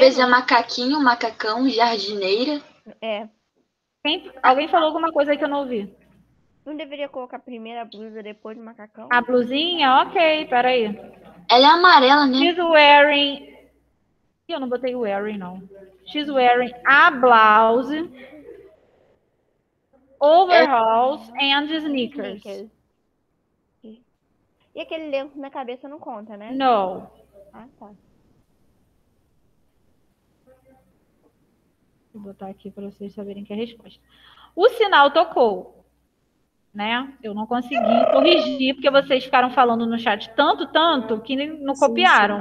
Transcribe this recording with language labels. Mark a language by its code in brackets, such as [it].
[pt] Às vezes é macaquinho, macacão, jardineira. É. Alguém falou alguma coisa aí que eu não ouvi? Não deveria colocar primeiro a blusa, depois o macacão? A blusinha? Ok, peraí. Ela é amarela, né? [en] She's wearing... [pt] Eu não botei wearing, não. [en] She's wearing a blouse, overalls and sneakers. [pt] E aquele lenço na cabeça não conta, né? Não. Ah, tá. Vou botar aqui para vocês saberem que é a resposta. O sinal tocou, né? Eu não consegui corrigir, porque vocês ficaram falando no chat tanto, que não copiaram.